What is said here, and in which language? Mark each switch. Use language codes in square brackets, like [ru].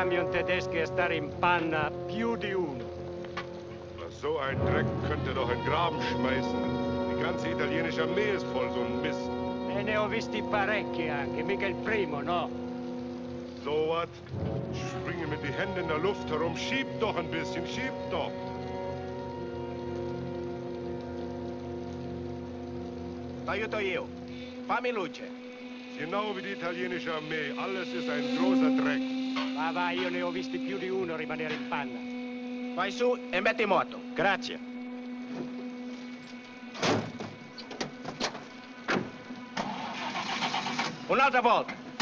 [it] Tedeschi a stare in panna più di uno. [de] So ein Dreck könnte doch in Graben schmeißen. Die ganze italienische Armee ist voll so ein Mist. [it] E ne ho visti parecchi anche, mica il primo, no? [en] So what? [de] Springe mit die Hände in der Luft herum, schieb doch ein bisschen, schieb doch. [it] T'aiuto io. Fammi luce. [de] Genau wie die italienische Armee, alles ist ein großer Dreck. [it] Va, va, io ne ho visti più di uno rimanere in panna. Vai su e metti moto. Grazie. Un'altra volta.